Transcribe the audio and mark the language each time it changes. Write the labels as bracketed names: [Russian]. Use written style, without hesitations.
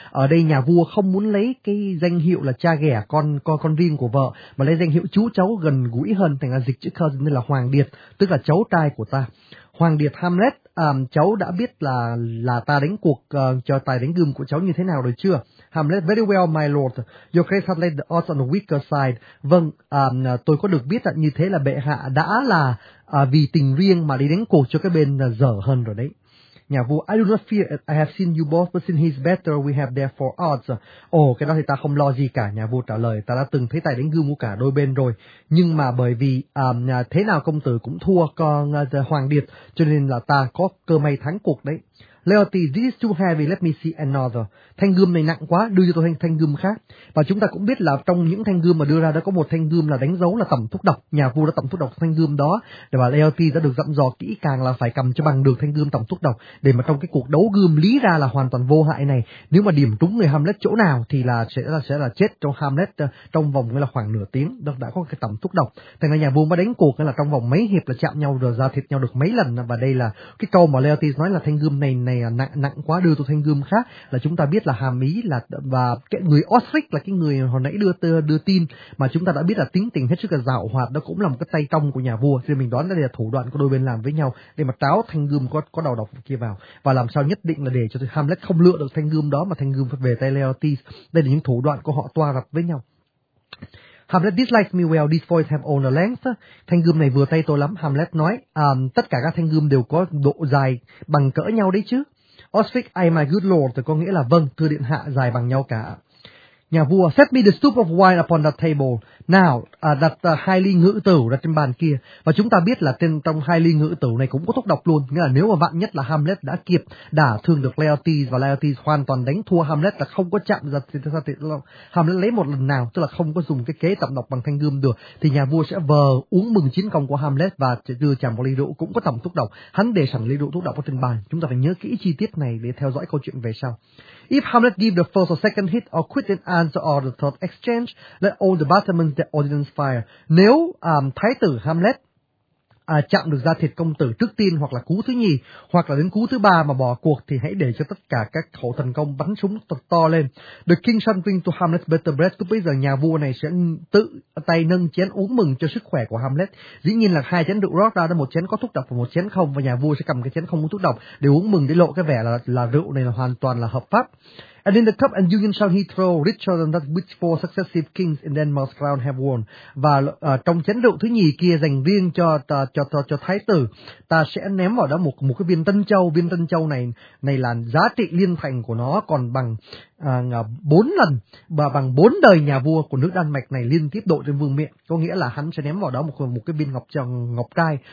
[Vietnamese] Ở đây nhà vua không muốn lấy cái danh hiệu là cha ghẻ con riêng của vợ, mà lấy danh hiệu chú cháu gần gũi hơn, thành ra dịch chữ cousin là Hoàng Điệt, tức là cháu trai của ta. Hoàng Điệt Hamlet, cháu đã biết là ta đánh cuộc cho tài đánh gươm của cháu như thế nào rồi chưa? [English] Hamlet, very well, my lord. Your grace has laid the odds on the weaker side. [Vietnamese] Vâng, tôi có được biết là như thế là bệ hạ đã là vì tình riêng mà đi đánh cuộc cho cái bên dở hơn rồi đấy. [English] Nhà vua, I do not fear, I have seen you both, but since he's better, we have therefore odds. [Vietnamese] Ồ, cái đó thì ta không lo gì cả, nhà vua trả lời, ta đã từng thấy tài đánh gươm của cả đôi bên rồi. Nhưng mà bởi vì thế nào công tử cũng thua con Hoàng Điệt, cho nên là ta có cơ may thắng cuộc đấy. [English] Laertes, this is too heavy, let me see another. [Vietnamese] Thanh gươm này nặng quá, đưa cho tôi thanh gươm khác. Và chúng ta cũng biết là trong những thanh gươm mà đưa ra đã có một thanh gươm là đánh dấu là tẩm thuốc độc. Nhà vua đã tẩm thuốc độc thanh gươm đó. Để mà Laertes đã được dặn dò kỹ càng là phải cầm cho bằng được thanh gươm tẩm thuốc độc. Để mà trong cái cuộc đấu gươm lý ra là hoàn toàn vô hại này. Nếu mà điểm trúng người Hamlet chỗ nào thì là sẽ là chết trong Hamlet trong vòng là khoảng nửa tiếng. Đã có cái tẩm thuốc độc. Thế nên nhà vua mới đánh cuộc là trong vòng mấy hiệp là chạm nhau rồi ra thịt nhau được mấy lần. Và đây là cái câu mà Laertes nói là thanh gươm này nặng quá, đưa tôi thanh gươm khác, là chúng ta biết là hàm ý là và cái người Osric là cái người hồi nãy đưa tin mà chúng ta đã biết là tính tình hết sức là dạo hoạt, đó cũng là một cái tay trong của nhà vua, nên mình đoán đây là thủ đoạn của đôi bên làm với nhau để mà táo thanh gươm có đầu độc kia vào và làm sao nhất định là để cho Hamlet không lựa được thanh gươm đó mà thanh gươm phải về tay Laertes. Đây là những thủ đoạn của họ toa rập với nhau. [English] Hamlet dislikes me well, these foils have all the length. [Vietnamese] Thanh gươm này vừa tay tôi lắm, Hamlet nói. Tất cả các thanh gươm đều có độ dài bằng cỡ nhau đấy chứ. Osric, [English] I my good lord, [Vietnamese] có nghĩa là vâng, thưa điện hạ, dài bằng nhau cả. Nhà vua, [English] set me the stoup of wine upon that table. [Vietnamese] Now, đặt hai ly ngữ tử ra trên bàn kia. Và chúng ta biết là trong hai ly ngữ tử này cũng có thuốc độc luôn. Nghĩa là nếu mà vạn nhất là Hamlet đã kịp đả thương được Laertes và Laertes hoàn toàn đánh thua Hamlet là không có chạm giật thì Hamlet lấy một lần nào, tức là không có dùng cái kế tẩm độc bằng thanh gươm được, thì nhà vua sẽ vờ uống mừng chiến công của Hamlet và đưa chàng một ly rượu cũng có tẩm thuốc độc. Hắn để sẵn ly rượu thuốc độc ở trên bàn. Chúng ta phải nhớ kỹ chi tiết này để theo dõi câu chuyện về sau. [English] If Hamlet give the first or second hit or quit in answer or the third exchange, let all the battlements the ordnance fire. [Vietnamese] Nếu thái tử Hamlet chạm được da thịt công tử trước tiên hoặc là cú thứ nhì hoặc là đến cú thứ ba mà bỏ cuộc thì hãy để cho tất cả các khẩu thần công bắn súng to lên. [English] The king shall drink to Hamlet's better breath. [Vietnamese] Cứ bây giờ nhà vua này sẽ tự tay nâng chén uống mừng cho sức khỏe của Hamlet. Dĩ nhiên là hai chén rượu rót ra đó, một chén có thuốc độc và một chén không, và nhà vua sẽ cầm cái chén không có thuốc độc để uống mừng để lộ cái vẻ là rượu này là hoàn toàn là hợp pháp. [English] And in the cup and union shall he throw richer than that which four successive kings in Denmark's crown have won. [Vietnamese] Và trong chén rượu thứ nhì kia dành riêng cho thái tử, ta sẽ ném vào đó một cái viên tân châu này là giá trị liên thành của nó còn bằng bốn lần và bằng bốn đời nhà vua của nước Đan Mạch này liên tiếp độ trên vương miện, có nghĩa là hắn sẽ ném vào đó một cái viên ngọc trai.